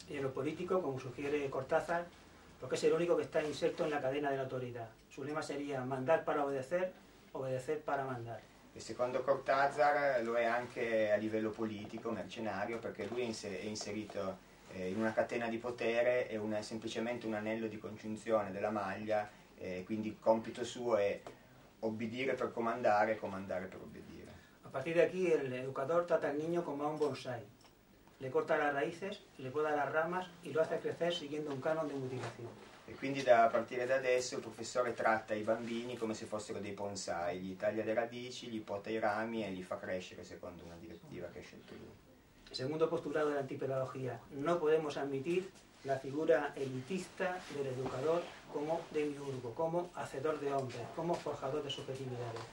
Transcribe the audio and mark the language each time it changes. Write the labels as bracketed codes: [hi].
[es] Y en lo político, como sugiere Cortázar, porque es el único que está inserto en la cadena de la autoridad. Su lema sería mandar para obedecer, obedecer para mandar. [it] E secondo Cortázar lo è anche a livello politico, mercenario, perché lui è inserito in una catena di potere, è semplicemente un anello di congiunzione della maglia, quindi il compito suo è obbedire per comandare e comandare per obbedire. [es] A partir de aquí, el educador trata al niño como a un bonsai. le corta las raíces, le poda las ramas y lo hace crecer siguiendo un canon de mutilación. [it] E quindi da partire da adesso il professore tratta i bambini come se fossero dei bonsai, gli taglia le radici, gli pota i rami e li fa crescere secondo una direttiva che ha scelto lui. Secondo postulato dell'antipedagogia, non possiamo ammettere la figura elitista dell'educatore come demiurgo, come [es] hacedor de hombres, [it] come [es] forjador de subjetividad.